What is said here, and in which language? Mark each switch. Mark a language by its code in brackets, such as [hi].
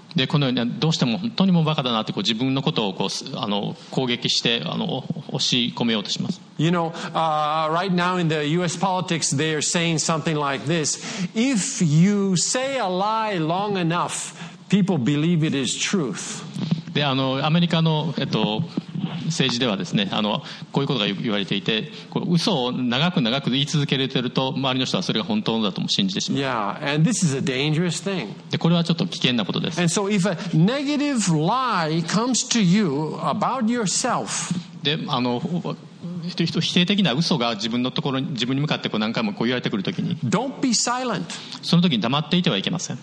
[ja] で、このようにどうしても本当にもバカだなってこう自分のことをこう攻撃して押し込めようとします。 [en] You know, right now in the U.S. politics, they are saying something like this: If you say a lie long enough, people believe it is truth. [ja] でアメリカの、政治ではですねこういうことが言われていて嘘を長く長く言い続けてると周りの人はそれが本当だとも信じてしまう。 [en] Yeah, and this is a dangerous thing. [ja] でこれはちょっと危険なことです。 [en] And so if a negative lie comes to you about yourself, [ja] で否定的な嘘が自分のところに自分に向かってこう何回もこう言われてくるときに [en] Don't be silent. [ja] その時に黙っていてはいけません。